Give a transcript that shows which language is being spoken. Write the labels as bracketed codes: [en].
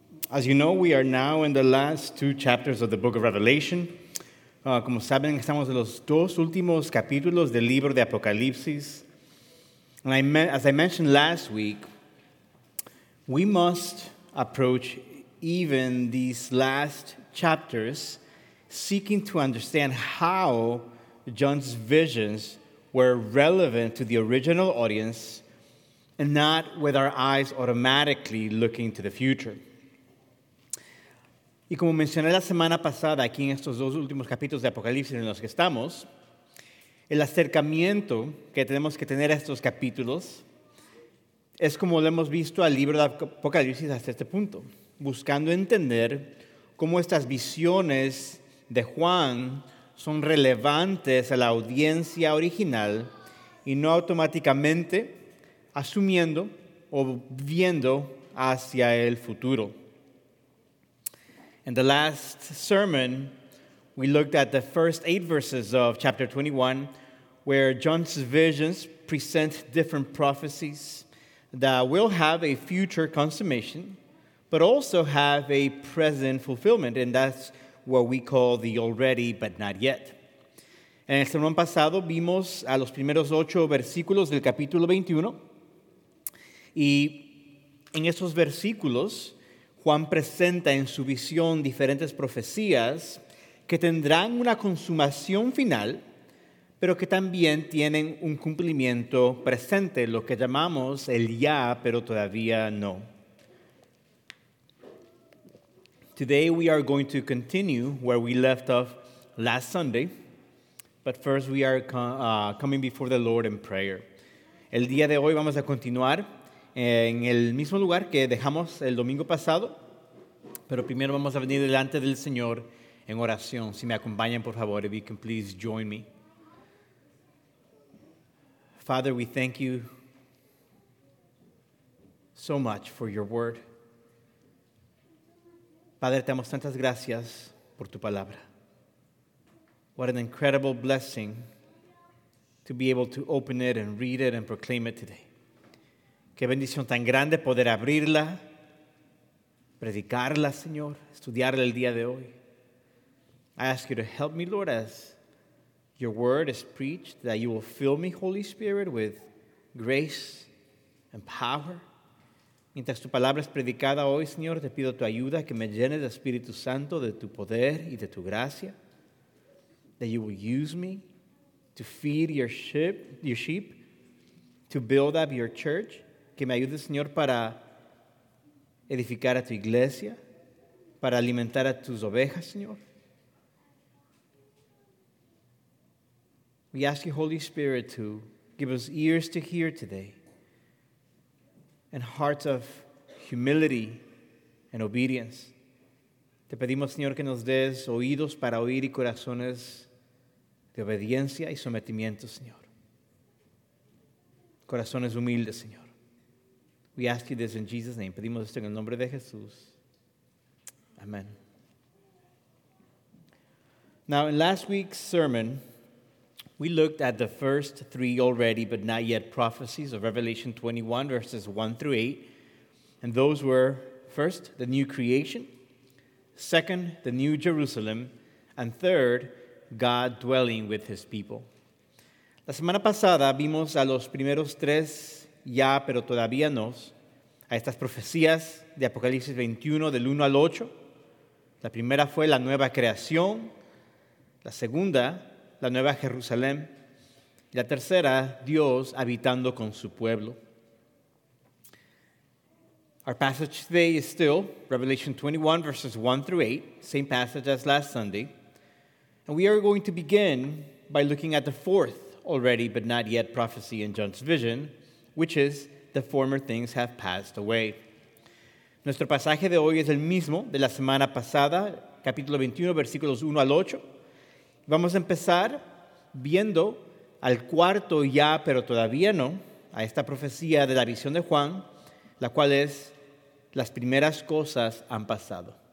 [en] As you know, we are now in the last two chapters of the book of Revelation. [es] Como saben, estamos en los dos últimos capítulos del libro de Apocalipsis. [en] And as I mentioned last week, we must approach even these last chapters seeking to understand how John's visions were relevant to the original audience and not with our eyes automatically looking to the future. [es] Y como mencioné la semana pasada aquí en estos dos últimos capítulos de Apocalipsis en los que estamos, el acercamiento que tenemos que tener a estos capítulos es como lo hemos visto al libro de Apocalipsis hasta este punto, buscando entender cómo estas visiones de Juan son relevantes a la audiencia original y no automáticamente asumiendo o viendo hacia el futuro. [en] In the last sermon, we looked at the first eight verses of chapter 21, where John's visions present different prophecies that will have a future consummation, but also have a present fulfillment, and that's what we call the already but not yet. [es] En el sermón pasado vimos a los primeros ocho versículos del capítulo 21, y en esos versículos Juan presenta en su visión diferentes profecías que tendrán una consumación final, pero que también tienen un cumplimiento presente, lo que llamamos el ya, pero todavía no. [en] Today we are going to continue where we left off last Sunday, but first we are coming before the Lord in prayer. [es] El día de hoy vamos a continuar en el mismo lugar que dejamos el domingo pasado, pero primero vamos a venir delante del Señor en oración. Si me acompañan, por favor, [en] if you can please join me. Father, we thank you so much for your word. [es] Padre, te damos tantas gracias por tu palabra. [en] What an incredible blessing to be able to open it and read it and proclaim it today. [es] Qué bendición tan grande poder abrirla, predicarla, Señor, estudiarla el día de hoy. [en] I ask you to help me, Lord, as your word is preached, that you will fill me, Holy Spirit, with grace and power. [es] Mientras tu palabra es predicada hoy, Señor, te pido tu ayuda, que me llenes de Espíritu Santo, de tu poder y de tu gracia. [en] That you will use me to feed your sheep, to build up your church. [es] Que me ayude, Señor, para edificar a tu iglesia, para alimentar a tus ovejas, Señor. [en] We ask you, Holy Spirit, to give us ears to hear today and hearts of humility and obedience. [es] Te pedimos, Señor, que nos des oídos para oír y corazones de obediencia y sometimiento, Señor. Corazones humildes, Señor. [en] We ask you this in Jesus' name. [es] Pedimos esto en el nombre de Jesús. Amen. [en] Now, in last week's sermon, we looked at the first three already but not yet prophecies of Revelation 21, verses 1 through 8. And those were, first, the new creation, second, the new Jerusalem, and third, God dwelling with his people. [es] La semana pasada vimos a los primeros tres ya, pero todavía no, a estas profecías de Apocalipsis 21, del 1 al 8. La primera fue la nueva creación, la segunda, la nueva Jerusalén, y la tercera, Dios habitando con su pueblo. [en] Our passage today is still Revelation 21, verses 1 through 8, same passage as last Sunday. And we are going to begin by looking at the fourth already but not yet prophecy in John's vision, which is the former things have passed away. [es] Nuestro pasaje de hoy es el mismo de la semana pasada, capítulo 21, versículos 1 al 8. Vamos a empezar viendo al cuarto ya, pero todavía no, a esta profecía de la visión de Juan, la cual es, las primeras cosas han pasado.